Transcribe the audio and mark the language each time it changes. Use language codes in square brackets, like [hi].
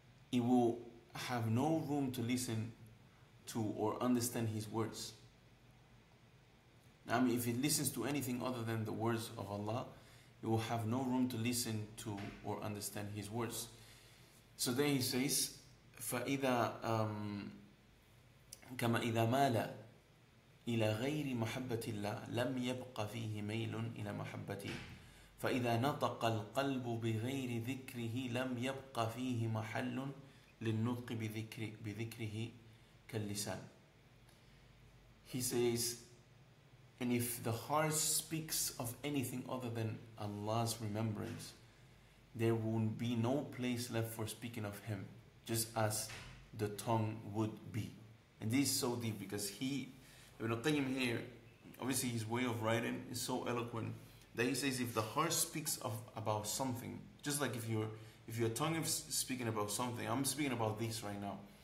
[en] It will have no room to listen to or understand his words. I mean, if it listens to anything other than the words of Allah, you will have no room to listen to or understand his words. [ar] So then he says, فَإِذَا كَمَا إِذَا مَالَ إِلَى غَيْرِ مَحَبَّةِ اللَّهِ لَمْ يَبْقَ فِيهِ مَيْلٌ إِلَى مَحَبَّتِهِ فَإِذَا نَطَقَ الْقَلْبُ بِغَيْرِ ذِكْرِهِ لَمْ يَبْقَ فِيهِ مَحَلٌ لِلنُّطْقِ بِذِكْرِهِ كَاللِّسَانِ. [en] He says, and if the heart speaks of anything other than Allah's remembrance, there will be no place left for speaking of Him, just as the tongue would be. And this is so deep, because he, Ibn Qayyim here, obviously his way of writing is so eloquent, that he says if the heart speaks of about something, just like if your tongue is speaking about something, I'm speaking about this right now.